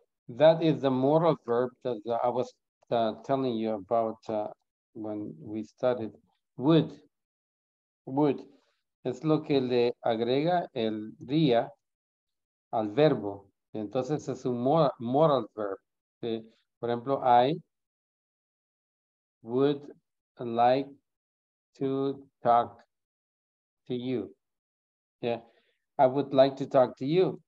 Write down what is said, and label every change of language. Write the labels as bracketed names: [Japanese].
[English] That is the modal verb that I was telling you about when we started. Would. [Spanish] Es lo que le agrega el día al verbo. Entonces es un modal verb. ¿Sí? Por ejemplo, [English] I would like to talk to you. Yeah, I would like to talk to you.